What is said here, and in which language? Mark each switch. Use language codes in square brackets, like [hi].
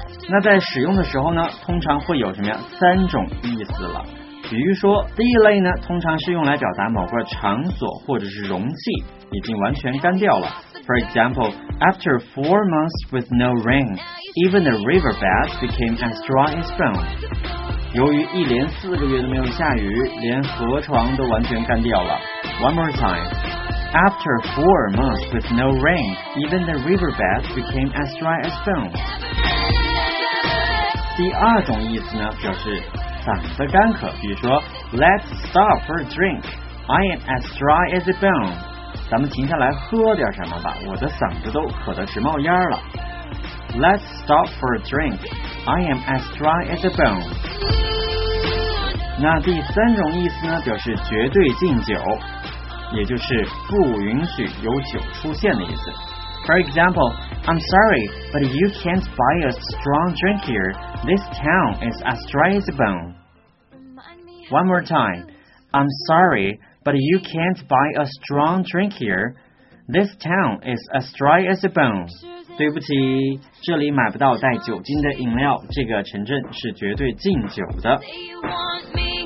[zh] 那在使用的时候呢，通常会有什么呀，三种意思了。比如说第一类呢，通常是用来表达某个场所或者是容器已经完全干掉了。 [en] For example, after 4 months with no rain, even the riverbed became as dry as bone. [zh] 由于一连四个月都没有下雨，连河床都完全干掉了。 [en] One more time. After 4 months with no rain, even the riverbed became as dry as bone. [zh] 第二种意思呢，表示嗓子干渴，比如说 [en] Let's stop for a drink. I am as dry as a bone. [zh] 咱们停下来喝点什么吧，我的嗓子都渴得直冒烟了。 [en] Let's stop for a drink. I am as dry as a bone. [zh] 那第三种意思呢，表示绝对禁酒，也就是不允许有酒出现的意思。 [en] For example, I'm sorry, but you can't buy a strong drink here. This town is as dry as a bone. One more time. I'm sorryBut you can't buy a strong drink here. This town is as dry as a bone. [zh] 对不起，这里买不到带酒精的饮料，这个城镇是绝对禁酒的。